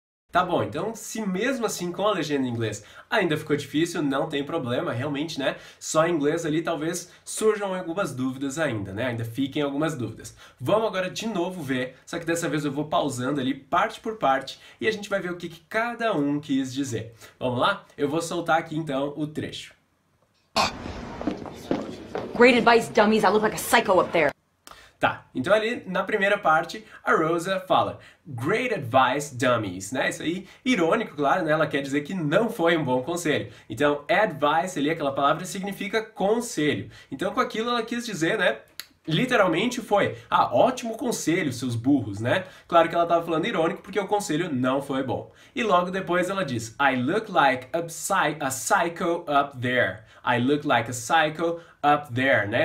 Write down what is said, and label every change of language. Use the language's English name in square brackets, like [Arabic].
[Portuguese] Tá bom, então se mesmo assim com a legenda em inglês ainda ficou difícil, não tem problema, realmente, né? Só em inglês ali talvez surjam algumas dúvidas ainda, né? Ainda fiquem algumas dúvidas. Vamos agora de novo ver, só que dessa vez eu vou pausando ali parte por parte e a gente vai ver o que, que cada um quis dizer. Vamos lá? Eu vou soltar aqui então o trecho. [English] Great advice, dummies. I look like a psycho up there. [Portuguese] Tá, então ali na primeira parte, a Rosa fala, [English] Great advice, dummies, [Portuguese] né? Isso aí, irônico, claro, né? Ela quer dizer que não foi um bom conselho. Então, advice ali, aquela palavra, significa conselho. Então, com aquilo ela quis dizer, né? Literalmente foi, ah, ótimo conselho, seus burros, né? Claro que ela tava falando irônico, porque o conselho não foi bom. E logo depois ela diz, [English] I look like a psycho up there. I look like a psycho up there, né?